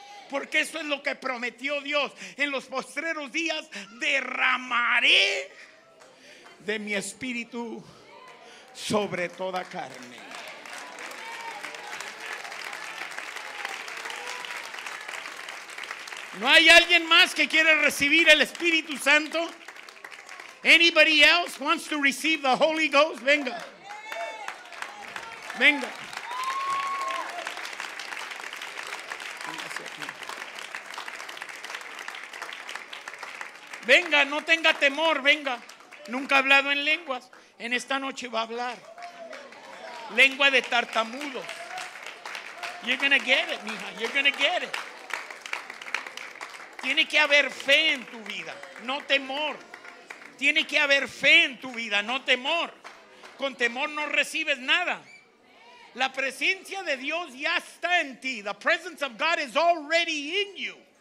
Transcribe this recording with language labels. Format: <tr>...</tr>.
<es>Porque eso es lo que prometió Dios. En los postreros días derramaré de mi espíritu sobre toda carne. ¿No hay alguien más que quiere recibir el Espíritu Santo?</es> <en>Anybody else wants to receive the Holy Ghost?</en> <es>Venga. Venga. Venga, no tenga temor, venga. Nunca ha hablado en lenguas. En esta noche va a hablar. Lengua de tartamudos.</es> <en>You're gonna get it, mija. You're gonna get it.</en> <es>Tiene que haber fe en tu vida, no temor. Tiene que haber fe en tu vida, no temor. Con temor no recibes nada. La presencia de Dios ya está en ti.</es> <en>The presence of God is already in you.</en>